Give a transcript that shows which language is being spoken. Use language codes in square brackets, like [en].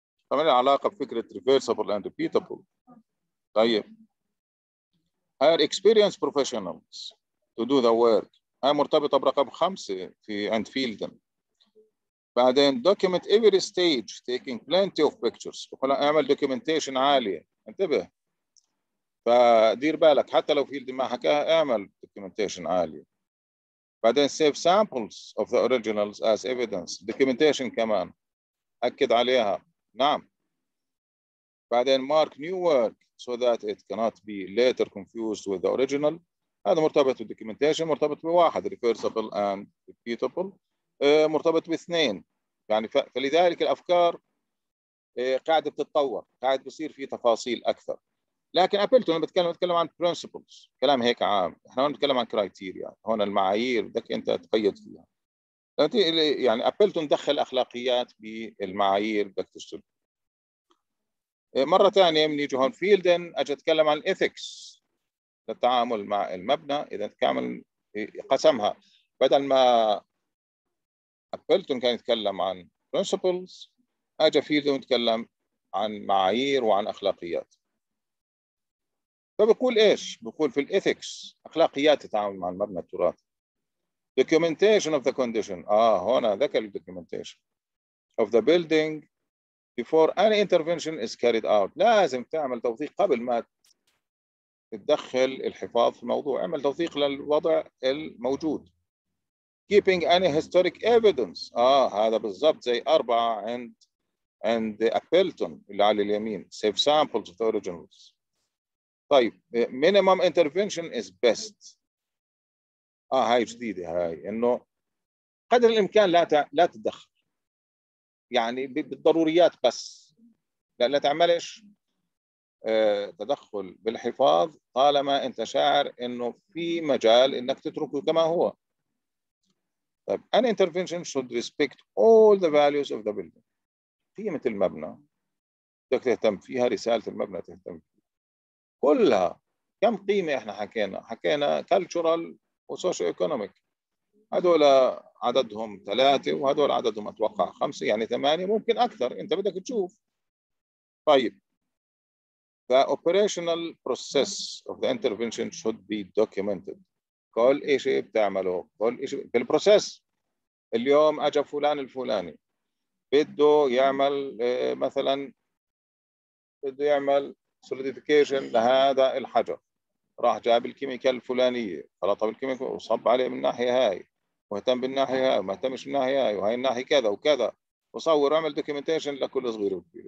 [ar] طبعا العلاقة بفكرة [en] reversible and repeatable. [ar] طيب [en] hire experienced professionals to do the work، [ar] هاي مرتبطة برقم 5 في عند فيلدن. بعدين [en] document every stage taking plenty of pictures، [ar] بقول لك اعمل documentation عالية، انتبه فدير بالك حتى لو فيلد ما حكاها اعمل documentation عالية. بعدين [en] save samples of the originals as evidence، documentation [ar] كمان أكد عليها، نعم. بعدين [en] mark new work so that it cannot be later confused with the original، [ar] هذا مرتبط بالdocumentation، مرتبط بواحد [en] reversible and repeatable، [ar] مرتبط باثنين يعني. فلذلك الأفكار قاعدة بتتطور، قاعد بصير في تفاصيل أكثر. لكن أبلتون بتكلم عن principles، كلام هيك عام، احنا هون بنتكلم عن كرايتيريا، هون المعايير بدك انت تقيد فيها. يعني أبلتون دخل أخلاقيات بالمعايير بدك تشتغل. مرة ثانية بنيجي هون فيلدن أجي أتكلم عن الإيثكس للتعامل مع المبنى، إذا تكامل قسمها، بدل ما أبلتون كان يتكلم عن principles أجي فيلدن يتكلم عن معايير وعن أخلاقيات. فبيقول إيش؟ بيقول في الإثكس أخلاقيات التعامل مع المبنى التراثي. [en] Documentation of the condition. [ar] هنا ذكر [en] documentation of the building before any intervention is carried out. [ar] لازم تعمل توثيق قبل ما تدخل الحفاظ في الموضوع. اعمل توثيق للوضع الموجود. [en] Keeping any historic evidence. [ar] هذا بالضبط زي 4 عند أبلتون اللي على اليمين. [en] Save samples of the originals. [ar] طيب [en] minimum intervention is best. [ar] هاي جديدة هاي، إنه قدر الإمكان لا تتدخل يعني بالضروريات بس، لا تعملش تدخل بالحفاظ طالما أنت شاعر إنه في مجال إنك تتركه كما هو. طيب [en] an intervention should respect all the values of the building. [ar] قيمة المبنى بدك تهتم فيها، رسالة المبنى تهتم فيها كلها. كم قيمة احنا حكينا cultural وsocio economic، هدول عددهم 3 وهدول عددهم اتوقع 5 يعني 8 ممكن اكثر، انت بدك تشوف. طيب [en] the operational process of the intervention should be documented. [ar] كل شيء بتعمله، كل شيء بالبروسيس. اليوم اجى فلان الفلاني بده يعمل مثلا، بده يعمل solidification لهذا الحجر، راح جاب الكيميكال الفلانيه خلطها بالكيميكال وصب عليه من الناحيه هاي، مهتم بالناحيه هاي، ما اهتمش بالناحيه هاي، وهي الناحيه كذا وكذا، وصور وعمل دوكيومنتيشن لكل صغير وكبير.